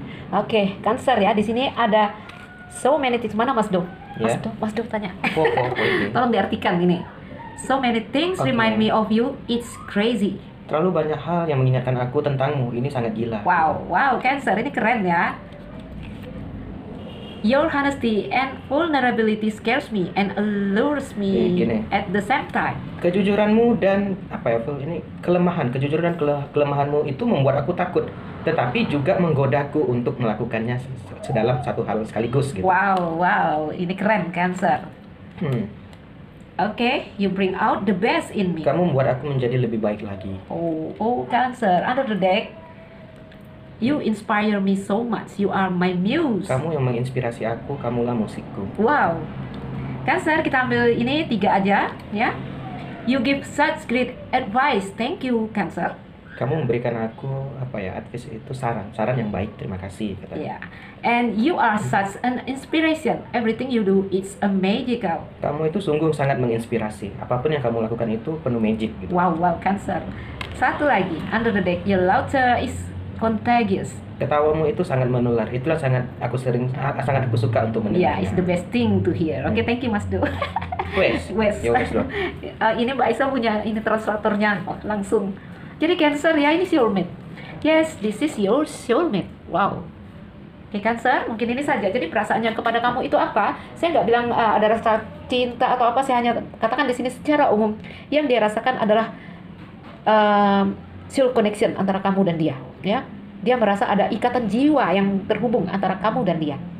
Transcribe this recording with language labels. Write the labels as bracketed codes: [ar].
[id] Oke, okay, Cancer ya, di sini ada [en] so many things. [id] Mana Mas Do? Yeah. Mas Do tanya. Tolong diartikan ini. So many things, okay. [en] Remind me of you. It's crazy. [id] Terlalu banyak hal yang mengingatkan aku tentangmu. Ini sangat gila. Wow, Cancer ini keren ya. [en] Your honesty and vulnerability scares me and allures me at the same time. [id] Kejujuranmu dan apa ya, Phil, ini kelemahan. Kejujuran dan kelemahanmu itu membuat aku takut, tetapi juga menggodaku untuk melakukannya sedalam satu hal sekaligus gitu. Wow, ini keren, Cancer. [en] Okay, you bring out the best in me. [id] Kamu membuat aku menjadi lebih baik lagi. [en] Oh, Cancer, under the deck. You inspire me so much. You are my muse. [id] Kamu yang menginspirasi aku, kamulah musikku. Wow. Cancer, kita ambil ini tiga aja, ya. [en] You give such great advice. Thank you, Cancer. [id] Kamu memberikan aku apa ya? Advice itu saran, saran yang baik. Terima kasih, kata. Yeah. [en] And you are such an inspiration. Everything you do is a magical. [id] Kamu itu sungguh sangat menginspirasi. Apapun yang kamu lakukan itu penuh magic gitu. Wow, Cancer. Satu lagi, [en] under the deck, your laughter is contagious. [id] Ketawamu itu sangat menular. Itulah sangat aku sering, sangat aku suka untuk mendengar. [en] Yeah, it's the best thing to hear. Okay, thank you, Mas Do. [jv] Wes. [id] Ini Mbak Isa punya ini translatornya langsung. Jadi Cancer ya, ini soulmate. [en] Yes, this is your soulmate. [id] Wow. Oke, okay, Cancer, mungkin ini saja. Jadi perasaannya kepada kamu itu apa? Saya nggak bilang ada rasa cinta atau apa. Saya hanya katakan di sini secara umum yang dia rasakan adalah soul connection antara kamu dan dia. Ya, dia merasa ada ikatan jiwa yang terhubung antara kamu dan dia.